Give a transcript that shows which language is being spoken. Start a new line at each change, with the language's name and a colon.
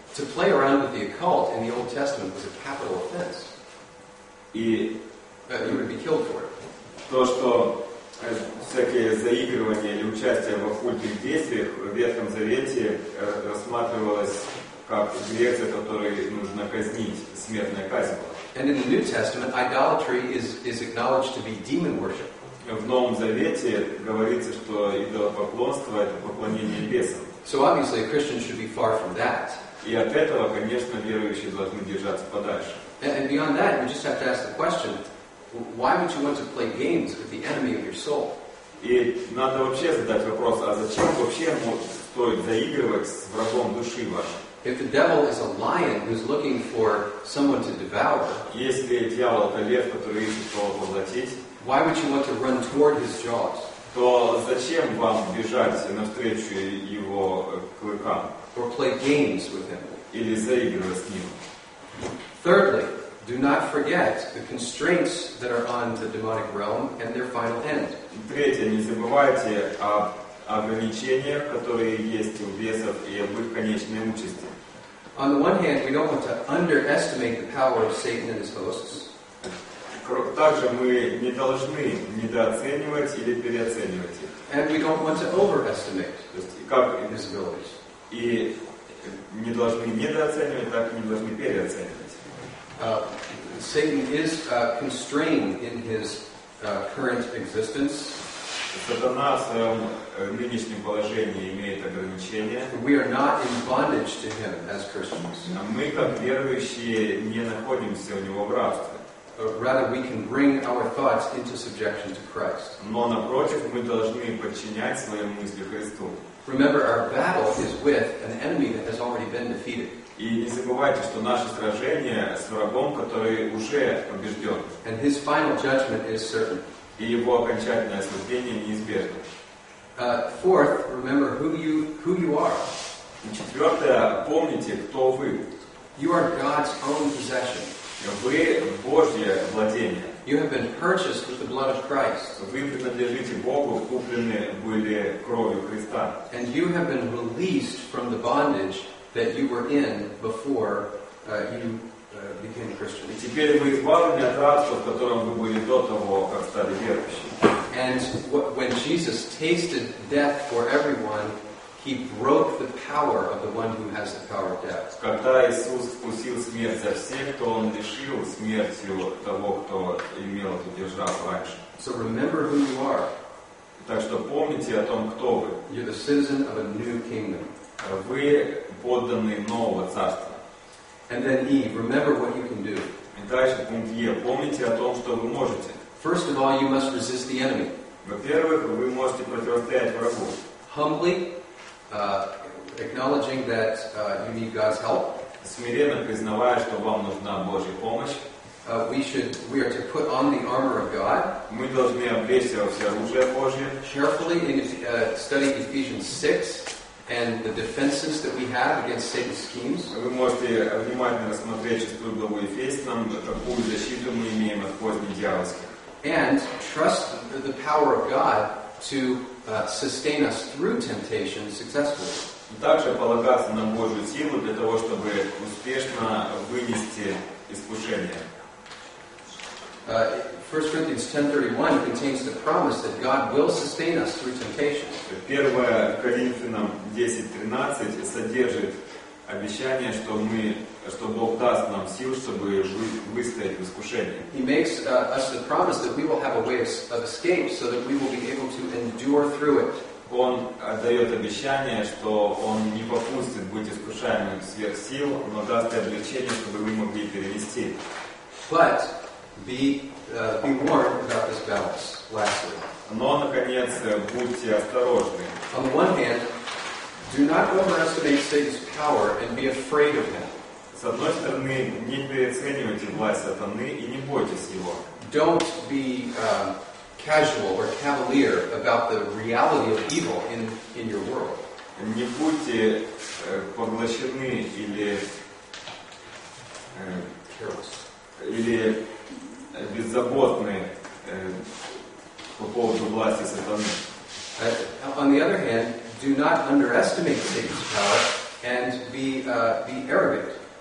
English: To play around with the occult in the Old Testament was a capital offense.
Russian: И
English: you would be killed for it.
Russian: То, что всякие заигрывания или участие в оккультных действиях в Ветхом Завете рассматривалось как грех, за который нужно казнить, смертная казнь была.
English: And in the New Testament, idolatry is acknowledged to be demon worship.
Russian: В Новом Завете говорится, что идолопоклонство это поклонение бесам.
English: So obviously, a Christian should be far from that.
Russian: И от этого, конечно, верующие должны держаться подальше.
English: And beyond that, you just have to ask the question, why would you want to play games with the enemy of your soul?
Russian: И надо вообще задать вопрос, а зачем вообще стоит заигрывать с врагом души вашей?
English: If the devil is a lion who's looking for someone to devour,
Russian: если дьявол это лев, который ищет кого поглотить,
English: why would you want to run toward his jaws?
Russian: То зачем вам бежать навстречу его клыкам?
English: Or play games with him?
Russian: Или заигрывать с ним?
English: Thirdly, do not forget the constraints that are on the demonic realm and their final end.
Russian: Третье, не забывайте о ограничениях, которые есть у бесов и об их конечной участи.
English: On the one hand, we don't want to underestimate the power of Satan and his hosts.
Russian: Также мы не должны недооценивать или переоценивать их.
English: And we don't want to overestimate his abilities.
Russian: И не должны недооценивать, так и не должны переоценивать.
English: Satan is constrained in his current existence.
Russian: Сатана в своем нынешнем положении имеет ограничения.
English: We are not in bondage to him as Christians.
Russian: Мы, как верующие, не находимся у него в рабстве.
English: Rather, we can bring our thoughts into subjection to Christ.
Russian: Но, напротив, мы должны подчинять свои мысли Христу.
English: Remember, our battle is with an enemy that has already been defeated.
Russian: И не забывайте, что наше сражение с врагом, который уже побежден.
English: And his final judgment is certain.
Russian: И его окончательное осуждение неизбежно.
English: Fourth, remember who you are.
Russian: И четвертое, помните, кто вы.
English: You are God's own possession.
Russian: Вы Божье владение.
English: You have been purchased with the blood of Christ.
Russian: Вы принадлежите Богу, куплены были кровью Христа.
English: And you have been released from the bondage that you were in before became Christian.
Russian: И теперь вы избавлены от рабства, в котором вы были до того, как стали верующими.
English: And when Jesus tasted death for everyone, he broke the power of the one who has the power of death.
Russian: Когда Иисус вкусил смерть за всех, то он лишил смертью того, кто имел эту державу раньше.
English: So remember who you are.
Russian: Так что помните о том, кто вы.
English: You're the citizen of a new kingdom.
Russian: Вы подданные нового царства.
English: And then E, remember what you can do.
Russian: И дальше пункт Е. Помните о том, что вы можете.
English: First of all, you must resist the enemy.
Russian: Во-первых, вы можете противостоять врагу.
English: Humbly, acknowledging that you need God's help.
Russian: Смиренно признавая, что вам нужна Божья помощь.
English: We are to put on the armor of God.
Russian: Мы должны облечься во все оружие Божье.
English: Carefully study Ephesians 6. And the defenses that we have against Satan's schemes.
Russian: Вы можете внимательно рассмотреть шестую главу Ефесянам, какую защиту мы имеем от козней дьявольских.
English: And trust the power of God to sustain us through temptation successfully.
Russian: Также полагаться на Божью силу для того, чтобы успешно вынести искушение.
English: 1 Corinthians 10:31 contains the promise that God will sustain us through temptations.
Russian: 1 Коринфянам 10:13 содержит обещание, что Бог даст нам сил, чтобы выстоять в искушении.
English: He makes us the promise that we will have a way of escape so that we will be able to endure through it.
Russian: Он дает обещание, что он не попустит быть искушаемым сверх сил, но даст облегчение, чтобы мы могли перевести.
English: But be warned about this balance, lastly.
Russian: Но, наконец, будьте осторожны.
English: On the one hand, do not overestimate Satan's power and be afraid of him.
Russian: С одной стороны, не переоценивайте власть сатаны и не бойтесь его.
English: Don't be casual or cavalier about the reality of evil in your world.
Russian: Не будьте поглощены или
English: careless.
Russian: Или беззаботны по поводу власти сатаны.
English: On the other hand, do not underestimate Satan's power and be arrogant.